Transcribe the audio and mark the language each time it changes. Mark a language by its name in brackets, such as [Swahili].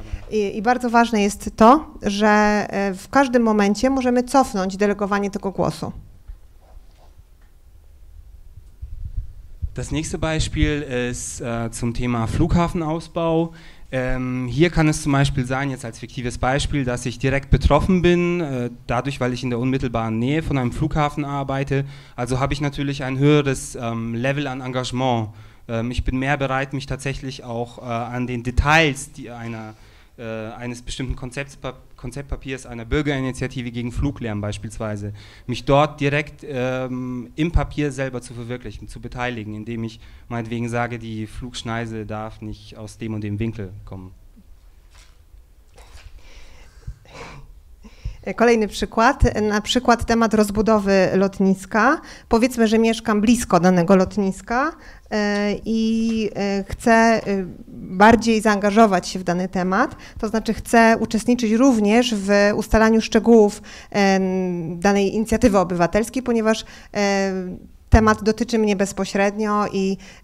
[Polish] I bardzo ważne jest to, że w każdym momencie możemy cofnąć delegowanie tego głosu. [German] Das nächste Beispiel ist zum Thema Flughafenausbau. Hier kann es zum Beispiel sein, jetzt als fiktives Beispiel, dass ich direkt betroffen bin, dadurch, weil ich in der unmittelbaren Nähe von einem Flughafen arbeite. Also habe ich natürlich ein höheres Level an Engagement. Ich bin mehr bereit, mich tatsächlich auch an den Details eines bestimmten Konzeptpapiers einer Bürgerinitiative gegen Fluglärm beispielsweise, mich dort direkt im Papier selber zu verwirklichen, zu beteiligen, indem ich meinetwegen sage, die Flugschneise darf nicht aus dem und dem Winkel kommen. [Polish] Kolejny przykład, na przykład temat rozbudowy lotniska. Powiedzmy, że mieszkam blisko danego lotniska i chcę bardziej zaangażować się w dany temat, to znaczy chcę uczestniczyć również w ustalaniu szczegółów danej inicjatywy obywatelskiej, ponieważ temat dotyczy mnie bezpośrednio i